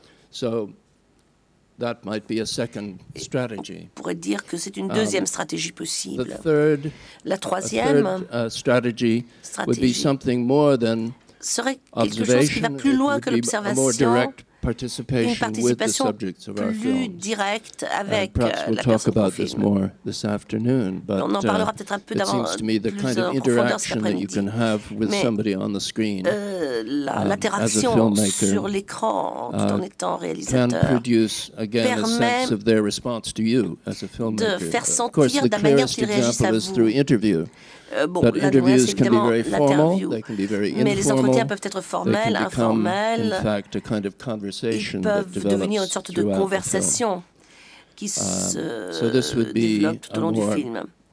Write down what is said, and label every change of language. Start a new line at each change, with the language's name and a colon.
English: So, that might be a second strategy.
French: On pourrait dire que c'est une deuxième stratégie possible.
English: The third,
French: la troisième
English: stratégie would be something more than
French: serait quelque chose qui va plus loin que l'observation.
English: participation with the subjects of our films.
French: Avec
English: perhaps we'll talk about this more this afternoon, but it seems to me the kind of interaction that you can have with somebody on the screen as a filmmaker
French: sur l'écran, en étant réalisateur,
English: can produce, again, a sense of their response to you as a filmmaker. Of course, the clearest example is through interview. But interviews can be very formal, they can be very informal, they can become, in fact, a kind of conversation that develops throughout the film. So this would be a more,